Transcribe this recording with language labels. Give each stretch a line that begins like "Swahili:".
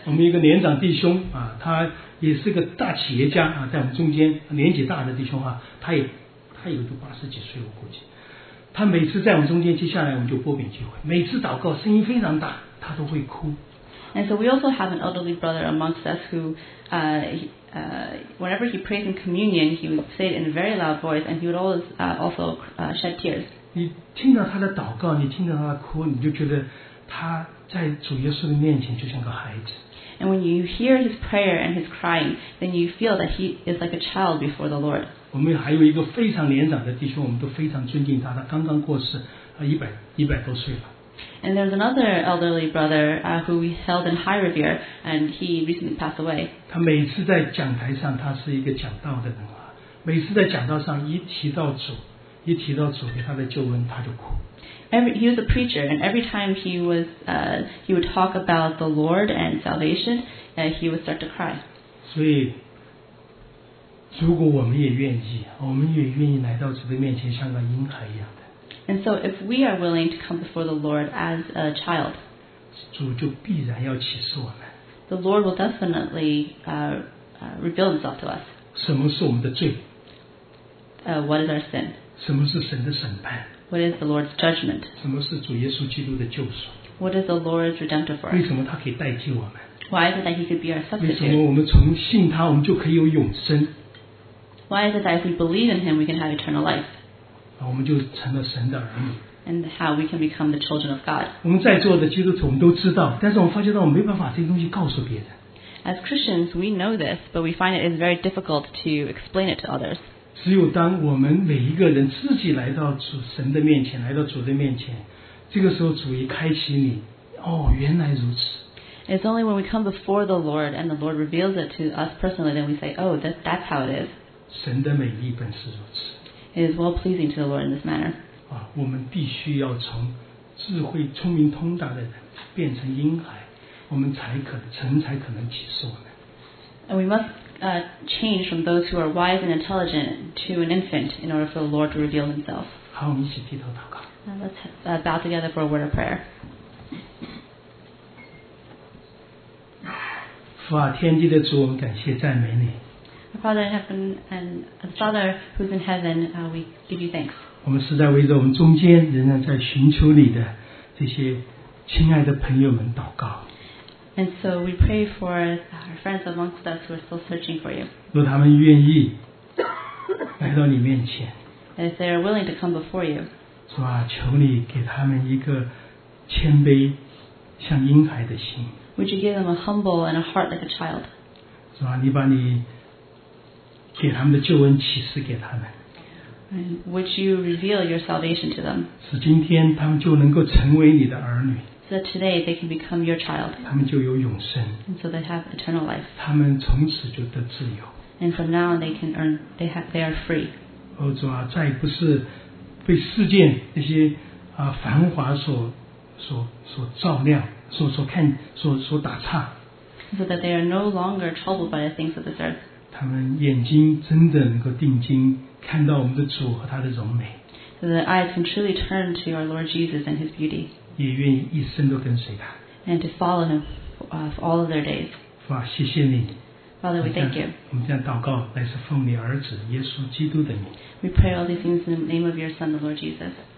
Chinese: 我们一个年长弟兄啊，他也是个大企业家啊，在我们中间年纪大的弟兄啊，他有都八十几岁，我估计。他每次在我们中间，接下来我们就播饼聚会。每次祷告声音非常大，他都会哭。
English: And so we also have an elderly brother amongst us who, whenever he prays in communion, he would say it in a very loud voice, and he would always shed tears.
Chinese: 你听到他的祷告，你听到他哭，你就觉得他在主耶稣的面前就像个孩子。
English: And when you hear his prayer and his crying, then you feel that he is like a child before the Lord.
Chinese: 我们还有一个非常年长的弟兄，我们都非常尊敬他。他刚刚过世，100多岁了。
English: And there's another elderly brother who we held in high revere, and he recently passed away.
Chinese: 他每次在讲台上，他是一个讲道的人啊。每次在讲道上，一提到主给他的救恩，他就哭。
English: He was a preacher, and every time he would talk about the Lord and salvation, he would start to cry.
Chinese: 所以，如果我们也愿意，我们也愿意来到主的面前，像个婴孩一样的。
English: And so, if we are willing to come before the Lord as a child,
Chinese: 主就必然要启示我们。
English: The Lord will definitely reveal Himself to us.
Chinese: 什么是我们的罪？
English: What is our sin?
Chinese: 什么是神的审判？
English: What is the Lord's judgment?
Chinese: 什么是主耶稣基督的救赎？
English: What is the Lord's redemptive for us?
Chinese: 为什么他可以代替我们？
English: Why is it that he could be our substitute?
Chinese: 为什么我们从信他我们就可以有永生？
English: Why is it that if we believe in him we can have eternal life?
Chinese: 我们就成了神的儿女。
English: And how we can become the children of God.
Chinese: 我们在座的基督徒我们都知道，但是我们发觉到我们没办法这些东西告诉别人。
English: As Christians we know this, but we find it is very difficult to explain it to others.
Chinese: 只有当我们每一个人自己来到主神的面前，来到主的面前，这个时候主一开启你，哦，原来如此。
English: It's only when we come before the Lord and the Lord reveals it to us personally, then we say, "Oh, that's how it is."
Chinese: 神的美意本是如此。
English: It is well pleasing to the Lord in this manner.
Chinese: 啊，我们必须要从智慧、聪明、通达的人变成婴孩，我们才可神才可能启示我们。
English: And we must. Change from those who are wise and intelligent to an infant in order for the Lord to reveal himself.
Chinese: 好，我们一起低头祷告。
English: Let's bow together for a word of prayer.
Chinese: 父啊，天地的主，我们感谢赞美你。
English: Father in heaven and Father who's in heaven, we give you thanks.
Chinese: 我们实在为着我们中间仍然在寻求你的这些亲爱的朋友们祷告。
English: And so we pray for our friends amongst us who are still searching for you.
Chinese: 若他们愿意来到你面前。
English: And if they are willing to come before you.
Chinese: 主啊，求你给他们一个谦卑像婴孩的心。
English: Would you give them a humble and a heart like a child?
Chinese: 主啊，你把你给他们的救恩启示给他们。
English: And would you reveal your salvation to them?
Chinese: 使今天他们就能够成为你的儿女。
English: so that today they can become your child. And so they have eternal life. And from now on, they are free.
Chinese: 哦, 主啊, 再不是被世界那些, 啊, 繁华所照亮, 所看, 所打岔。
English: So that they are no longer troubled by the things of this earth.
Chinese: 他们眼睛真的能够定睛看到我们的主和他的荣美。
English: So that eyes can truly turn to our Lord Jesus and his beauty.
Chinese: 也愿意一生都跟随他。
English: And to follow him for all of their days.
Chinese: 主啊，谢谢你。
English: Father, we thank you.
Chinese: 我们这样祷告，乃是奉你儿子耶稣基督的名。
English: We pray all these things in the name of your Son, the Lord Jesus.